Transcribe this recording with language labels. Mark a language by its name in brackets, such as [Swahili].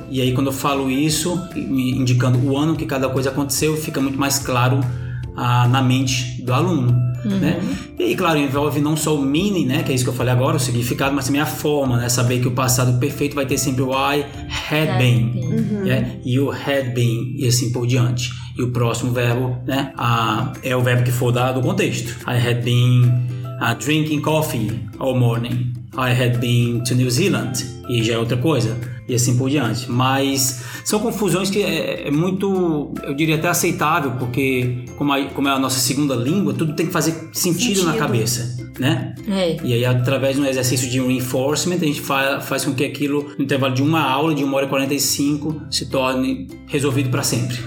[Portuguese] E aí, quando eu falo isso, indicando o ano que cada coisa aconteceu, fica muito mais claro na mente do aluno. Né? E aí, claro, envolve não só o meaning, né, que é isso que eu falei agora, o significado, mas também a forma, né, saber que o passado perfeito vai ter sempre o [English] I had been, you had been, [Portuguese] e assim por diante. E o próximo verbo, né, é o verbo que for dado o contexto. [English] I had been drinking coffee all morning. I had been to New Zealand. [Portuguese] E já é outra coisa. E assim por diante. Mas são confusões que é muito, eu diria até aceitável, porque como é a nossa segunda língua, tudo tem que fazer sentido na cabeça. né? É. E aí, através de um exercício de reinforcement, a gente faz com que aquilo, no intervalo de uma aula, de 1h45, se torne resolvido pra sempre.